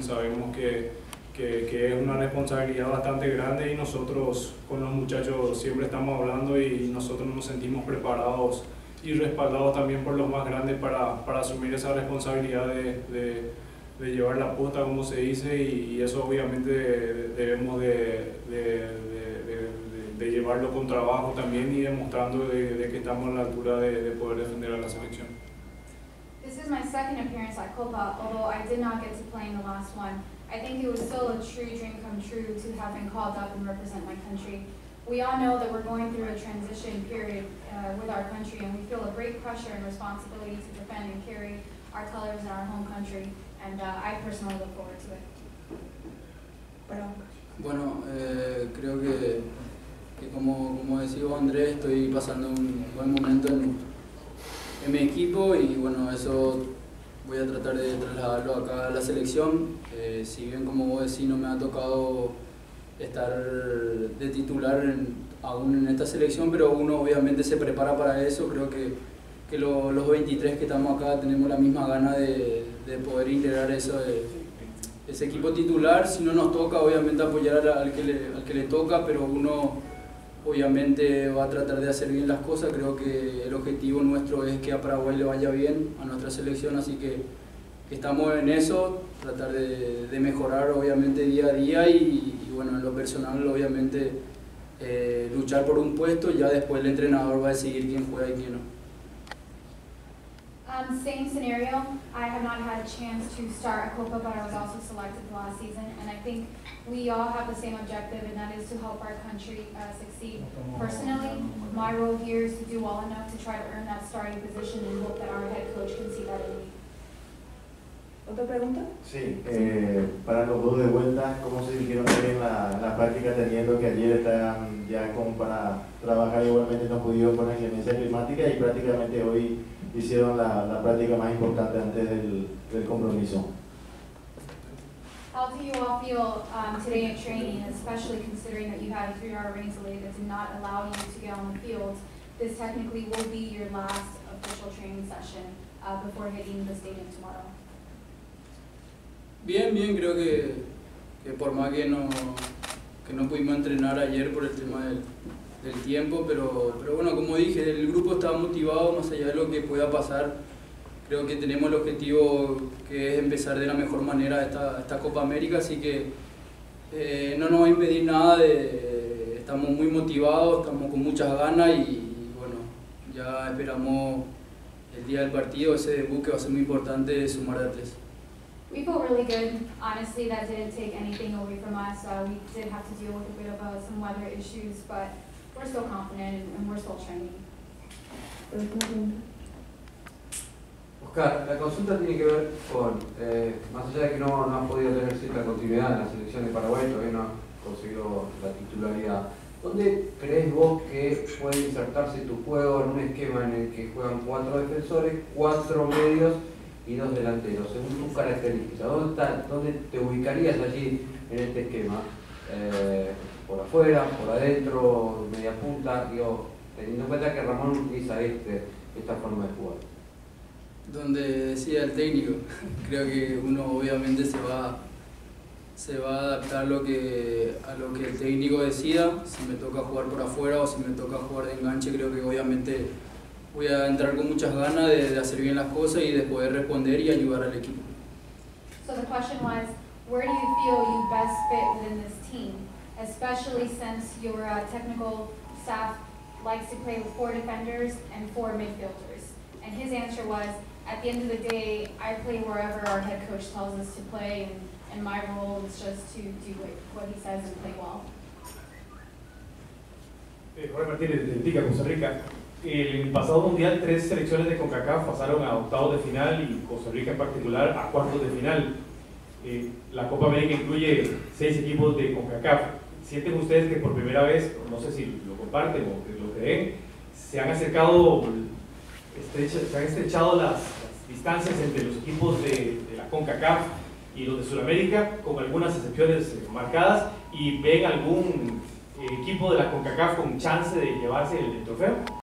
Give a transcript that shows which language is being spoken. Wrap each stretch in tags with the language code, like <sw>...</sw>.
<es>Sabemos que es una responsabilidad bastante grande y nosotros con los muchachos siempre estamos hablando y nosotros nos sentimos preparados y respaldados también por los más grandes para asumir esa responsabilidad de llevar la posta, como se dice, y eso obviamente debemos de llevarlo con trabajo también y demostrando de que estamos a la altura de poder defender a la selección.</es> <en>This is my second appearance at Copa, although I did not get to play in the last one. I think it was still a true dream come true to have been called up and represent my country. We all know that we're going through a transition period with our country, and we feel a great pressure and responsibility to defend and carry our colors in our home country, and I personally look forward to it.</en> <es>Bueno, creo que como decía Andrés, estoy pasando un buen momento en mi equipo y bueno, eso voy a tratar de trasladarlo acá a la selección. Si bien como vos decís no me ha tocado estar de titular aún en esta selección, pero uno obviamente se prepara para eso. Creo que los 23 que estamos acá tenemos la misma gana de poder integrar eso ese equipo titular. Si no nos toca, obviamente apoyar al que le toca, pero uno obviamente va a tratar de hacer bien las cosas. Creo que el objetivo nuestro es que a Paraguay le vaya bien, a nuestra selección, así que estamos en eso, tratar de mejorar obviamente día a día y bueno, en lo personal obviamente luchar por un puesto, ya después el entrenador va a decidir quién juega y quién no.</es> <en>Same scenario. I have not had a chance to start a Copa, but I was also selected the last season, and I think we all have the same objective, and that is to help our country succeed. Personally, my role here is to do well enough to try to earn that starting position and hope that our head coach can see that in me.</en> <es>¿Otra pregunta? Sí, para los dos de vuelta, ¿cómo se dijeron en la práctica, teniendo que ayer están ya como para trabajar igualmente, no pudieron con la emergencia climática y prácticamente hoy hicieron la práctica más importante antes del compromiso?</es> <en>How do you all feel today in training, especially considering that you had a 3-hour rain delay that did not allow you to get on the field? This technically will be your last official training session before hitting the stadium tomorrow.</en> <es>Bien, creo que por más que no pudimos entrenar ayer por el tema del tiempo, pero bueno, como dije, el grupo está motivado más allá de lo que pueda pasar. Creo que tenemos el objetivo, que es empezar de la mejor manera esta Copa América, así que no nos va a impedir nada de estar estamos muy motivados, estamos con muchas ganas y bueno, ya esperamos el día del partido, ese debut que va a ser muy importante sumar de tres.</es> <en>We felt really good. Honestly, that didn't take anything away from us. We did have to deal with a bit of some weather issues, but we're still confident and we're still training.</en> <es>Oscar, la consulta tiene que ver con, más allá de que no han podido tener cierta continuidad en la selección de Paraguay, todavía no han conseguido la titularidad. ¿Dónde crees vos que puede insertarse tu juego en un esquema en el que juegan cuatro defensores, cuatro medios y dos delanteros, según tus características? ¿Dónde te ubicarías allí en este esquema? ¿Por afuera, por adentro, media punta? Digo, teniendo en cuenta que Ramón utiliza esta forma de jugar. Donde decía el técnico, creo que uno obviamente se va a adaptar a lo que el técnico decida, si me toca jugar por afuera o si me toca jugar de enganche, creo que obviamente voy a entrar con muchas ganas de hacer bien las cosas y de poder responder y ayudar al equipo.</es> <en>So the question was, where do you feel you best fit within this team, especially since your technical staff likes to play with four defenders and four midfielders? And his answer was, at the end of the day, I play wherever our head coach tells us to play, and my role is just to do what he says and play well.</en> <es>Jorge Martínez, de Tica, Costa Rica. El pasado mundial, tres selecciones de CONCACAF pasaron a octavos de final y Costa Rica en particular a cuartos de final. La Copa América incluye seis equipos de CONCACAF. ¿Sienten ustedes que por primera vez, no sé si lo comparten o que lo creen, se han acercado, se han estrechado las distancias entre los equipos de la CONCACAF y los de Sudamérica, con algunas excepciones marcadas, y ven algún equipo de la CONCACAF con chance de llevarse el trofeo?</es>